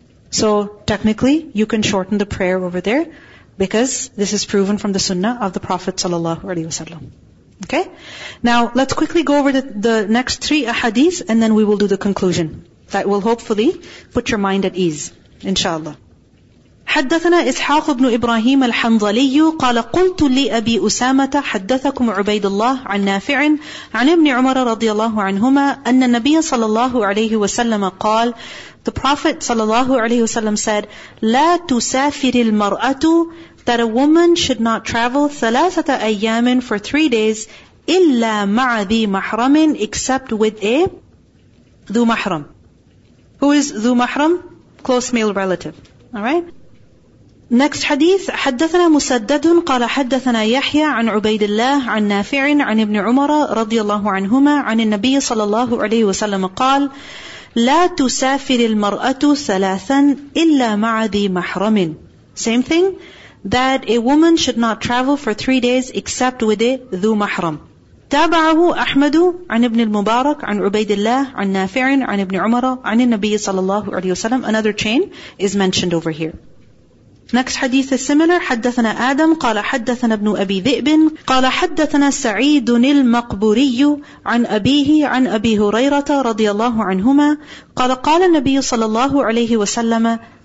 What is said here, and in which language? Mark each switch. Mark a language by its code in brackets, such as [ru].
[en] So technically, you can shorten the prayer over there because this is proven from the sunnah of the Prophet sallallahu alaihi wasallam. Okay? Now, let's quickly go over the next three ahadith and then we will do the conclusion. That will hopefully put your mind at ease. Inshallah. [ar] حدثنا إسحاق بن إبراهيم الحنظلي قال قلت لأبي أسامة حدثكم عبيد الله عن نافع عن ابن عمر رضي الله عنهما أن النبي صلى الله عليه وسلم قال [en] The Prophet [ar] صلى الله عليه وسلم [en] said [ar] لا تسافر المرأة [en] that a woman should not travel 3 days [ar] for 3 days إلا مع ذي محرم [en] except with a [ar] ذو محرم [en] Who is [ar] ذو محرم? [en] Close male relative. All right? Next hadith, [ar] حدثنا مسدد قال حدثنا يحيى عن عبيد الله عن نافع عن ابن عمر رضي الله عنهما عن النبي صلى الله عليه وسلم قال لا تسافر المرأة ثلاثا إلا مع ذي محرم. [en] Same thing, that a woman should not travel for 3 days except with a ذو محرم. [ar] تابعه أحمد عن ابن المبارك عن عبيد الله عن نافع عن ابن عمر عن النبي صلى الله عليه وسلم. [en] Another chain is mentioned over here. Next hadith is similar. [ar] حدثنا آدم قال حدثنا ابن أبي ذئب قال حدثنا سعيد المقبوري عن أبيه عن أبي هريرة رضي الله عنهما قال قال النبي صلى الله عليه وسلم